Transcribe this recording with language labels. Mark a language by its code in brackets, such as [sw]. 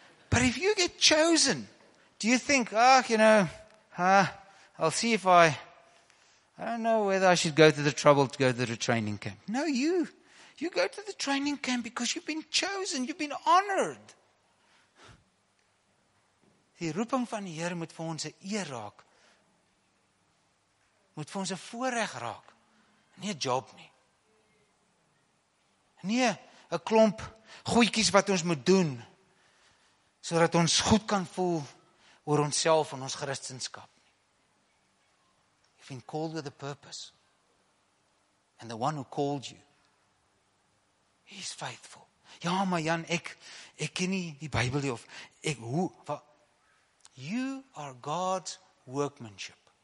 [en] But if you get chosen, do you think, I'll see if I don't know whether I should go to the trouble to go to the training camp. No, you go to the training camp because you've been chosen, you've been honored. [af] Die roeping van die Here moet vir ons 'n eer raak. Moet vir ons 'n voorreg raak. Nie 'n job nie. Nee, 'n klomp goedjies wat ons moet doen sodat ons goed kan voel oor onsself en ons christenskap. [en] You've been called with a purpose. And the one who called you, he's faithful. [af] Ja, maar Jan, ek ken nie die Bybel nie of ek hoe wat, [en] you are God's workmanship.